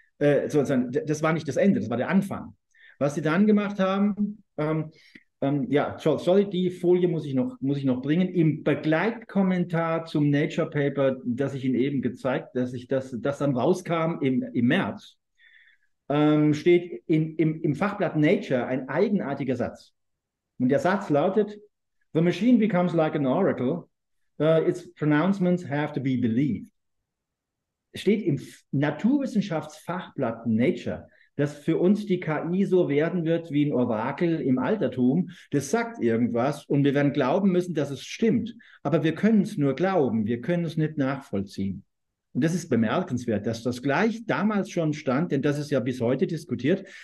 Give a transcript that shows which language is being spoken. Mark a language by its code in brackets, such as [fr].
[de] Das war nicht das Ende, das war der Anfang. Was sie dann gemacht haben, ja, sorry, die Folie muss ich noch bringen. Im Begleitkommentar zum Nature Paper, das ich Ihnen eben gezeigt, dass ich das dann rauskam im März, steht im Fachblatt Nature ein eigenartiger Satz. [en] Und der Satz lautet: The machine becomes like an oracle, its pronouncements have to be believed. [de] Steht im Naturwissenschaftsfachblatt Nature, dass für uns die KI so werden wird wie ein Orakel im Altertum. Das sagt irgendwas und wir werden glauben müssen, dass es stimmt. Aber wir können es nur glauben, wir können es nicht nachvollziehen. Und das ist bemerkenswert, dass das gleich damals schon stand, denn das ist ja bis heute diskutiert.